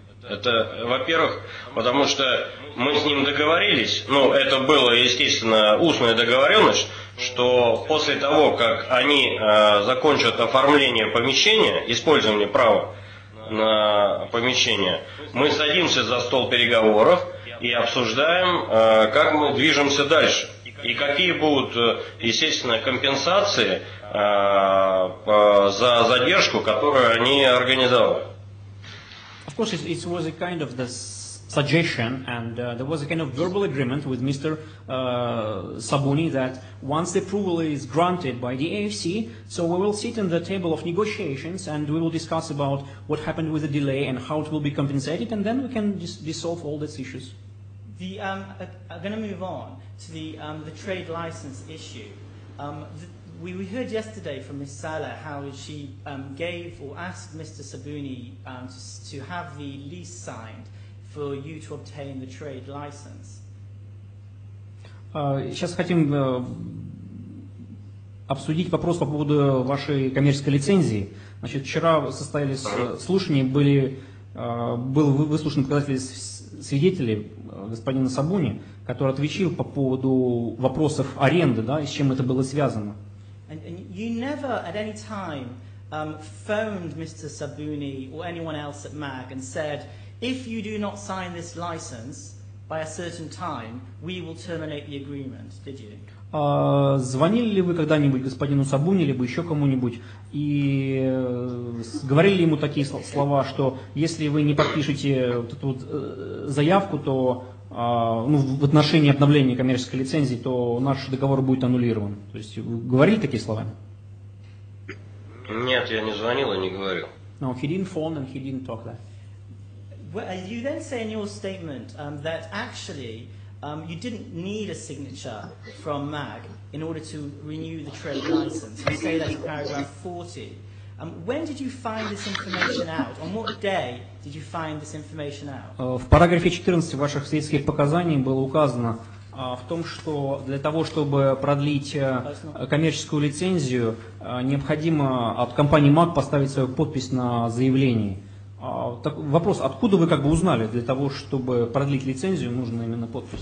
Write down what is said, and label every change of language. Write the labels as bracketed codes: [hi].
[ru] Это, во-первых, потому что мы с ним договорились, ну, это было, естественно, устная договоренность, что после того, как они закончат оформление помещения, использование права на помещение, мы садимся за стол переговоров и обсуждаем, как мы движемся дальше. И какие будут, естественно, компенсации за задержку, которую они организовали. [en] Of course, it was a kind of the suggestion, and there was a kind of verbal agreement with Mr. Sabuni that once the approval is granted by the AFC, so we will sit in the table of negotiations and we will discuss about what happened with the delay and how it will be compensated, and then we can dissolve all these issues. The I'm going to move on to the trade license issue. We heard yesterday from Ms. Saleh how she gave or asked Mr. Sabuni to have the lease signed for you to obtain the trade license. [ru] Сейчас хотим обсудить вопрос по поводу вашей коммерческой лицензии. Значит, вчера состоялись слушания, был выслушан показатель свидетелей господина Сабуни, который отвечал по поводу вопросов аренды, да, и с чем это было связано. [en] And you never at any time phoned Mr. Sabuni or anyone else at MAG and said, if you do not sign this license by a certain time, we will terminate the agreement, did you? [ru] Звонили ли вы когда-нибудь господину Сабуни либо еще кому-нибудь и говорили ему такие слова, что если вы не подпишете вот эту вот заявку, то ну, в отношении обновления коммерческой лицензии, то наш договор будет аннулирован. То есть вы говорили такие слова? Нет, я не звонил и не говорил. [en] No, he didn't phone and he didn't talk that. Well, you then say in your statement that actually you didn't need a signature from MAG in order to renew the trade license. You say that in paragraph 40. When did you find this information out? On what day did you find this information out? [ru] В параграфе 14 ваших свидетельских показаний было указано в том, что для того, чтобы продлить коммерческую лицензию, необходимо от компании MAG поставить свою подпись на заявлении. Так, вопрос, откуда вы как бы узнали, для того, чтобы продлить лицензию, нужно именно подпись?